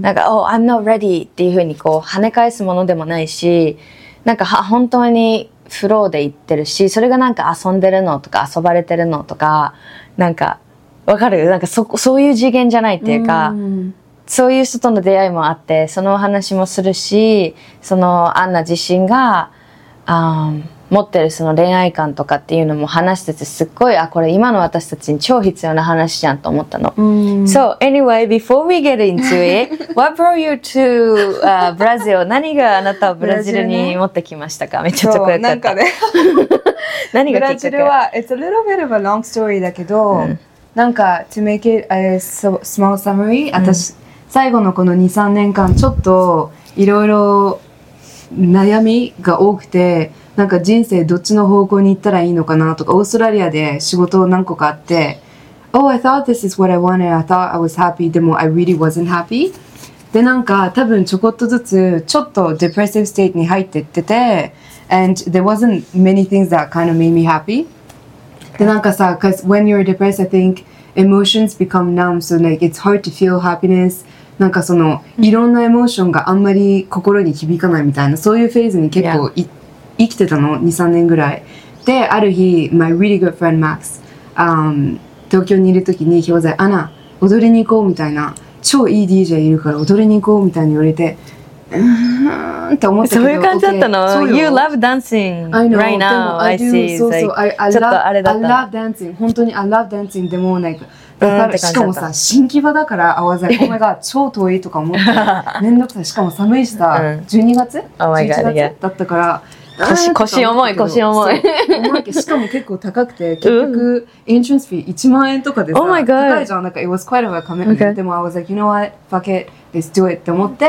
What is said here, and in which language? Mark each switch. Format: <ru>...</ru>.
<ja>なんか、</ja> <en>Oh, I'm not ready</en> <ja>っていうふうにこう跳ね返すものでもないし、なんか、本当に、フローで行ってるし、それがなんか遊んでるのとか遊ばれてるのとか、なんかわかる、なんか そういう次元じゃないっていうか、うん、そういう人との出会いもあってそのお話もするし、そのアンナ自身が、持ってるその恋愛観とかっていうのも話しててすっごい、あ、これ今の私たちに超必要な話じゃんと思ったの、うん、</ja> <en>So anyway, before we get into it What brought you to、Brazil?</en> <ja>何があなたをブラジルに持ってきましたか、ね、めっちゃ直訳だった、なんかね、何がきっかけ、ブラジルは</ja> <en>It's a little bit of a long story</en> <ja>だけど、うん、なんか</ja> <en>To make it a small summary、</en> <ja>うん、私最後のこの 2,3 年間ちょっといろいろ悩みが多くて、なんか人生どっちの方向に行ったらいいのかなとか、オーストラリアで仕事何個かあって、</ja> <en>Oh, I thought this is what I wanted. I thought I was happy.</en> <ja>でも、</ja> <en>I really wasn't happy.</en> <ja>で、なんか多分ちょこっとずつちょっと</ja> <en>depressive state</en> <ja>に入ってってて、</ja> <en>And there wasn't many things that kind of made me happy.</en> <ja>で、なんかさ、</ja> <en>Because when you're depressed, I think emotions become numb. So like, it's hard to feel happiness.</en> <ja>なんかそのいろんなエモーションがあんまり心に響かないみたいな、そういうフェーズに結構、yeah. 生きてたの 2,3 年ぐらいで、ある日</ja> <en>my really good friend Max、</en> <ja>東京にいる時に表材アナ踊りに行こうみたいな、超いい DJ いるから踊りに行こうみたいに言われて、うーんって思ったけど、そういう感じだったの、</ja> <en>okay、You love dancing I know right now I do, I see</en> <ja>そうそう、</ja> <en>like、I love,</en> <ja>ちょっとあれだった、</ja> <en>I love dancing</en> <ja>本当に I love dancing でもなんかだからしかもさ、新木場だから合わせる、米が超遠いとか思って、めんどくさい、しかも寒いしさ、12月、</ja> <en>oh、my God、</en> <ja>11月だったから、腰重い。しかも結構高くて、結局、エントランスフィー1万円とかでさ、</ja> <en>oh、my God、</en> <ja>高いじゃん、なんか、</ja> <en>it was quite a commitment、okay.</en> <ja>でも、</ja> <en>I was like, you know what, fuck it, let's do it</en> <ja>って思って、</ja>